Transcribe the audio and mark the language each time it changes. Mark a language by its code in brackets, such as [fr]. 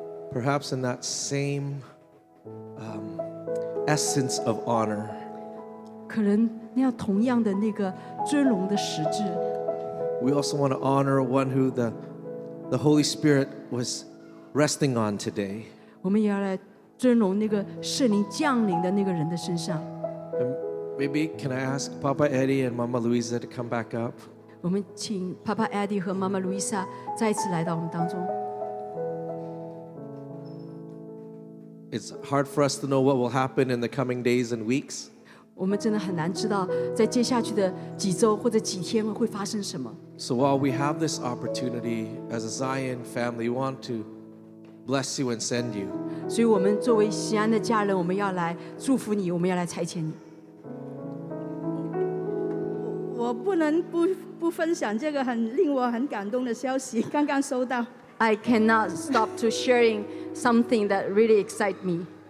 [en] perhaps in that same essence of honor. [zh] 可能那样同样的那个尊荣的实质。 [en] We also want to honor one who the Holy Spirit was resting on today. [zh] 我们也要来尊荣那个圣灵降临的那个人的身上。 [en] Maybe can I ask Papa Eddie and Mama Luisa to come back up? [zh] 我们请 Papa Eddie 和 Mama Luisa 再次来到我们当中。 [en] It's hard for us to know what will happen in the coming days and weeks. [zh] 我们真的很难知道在接下去的几周或者几天会发生什么。 [en] So while we have this opportunity as a Zion family, we want to bless you and send you. [zh] 所以我们作为锡安的家人，我们要来祝福你，我们要来差遣你。我不能不分享这个很令我很感动的消息，刚刚收到。 [en] I cannot stop to sharing something that really excites me.